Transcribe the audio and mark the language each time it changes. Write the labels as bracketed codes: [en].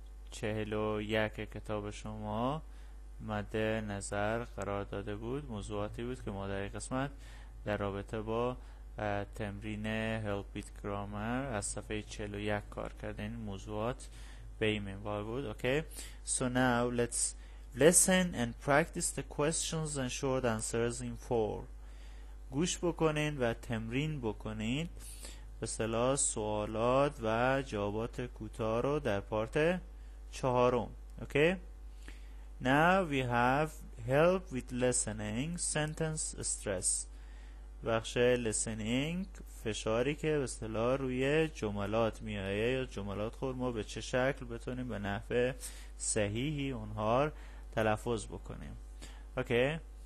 [fa] 41 کتاب شما مد نظر قرار داده بود، موضوعاتی بود که ما در این قسمت در رابطه با تمرین Help with Grammar از صفحه 41 کار کردن موضوعات به این منوال بود. [en] Okay. So now let's listen and practice the questions and short answers in 4. [fa] گوش بکنین و تمرین بکنین به اصطلاح سوالات و جوابات کوتاه رو در پارت 4. [en] Okay. Now we have help with listening sentence stress. [fa] بخش listening فشاری که به اصطلاح روی جملات میایه یا جملات خود ما به چه شکل بتونیم به نحو صحیحی اونها رو تلفظ بکنیم. [en] Okay.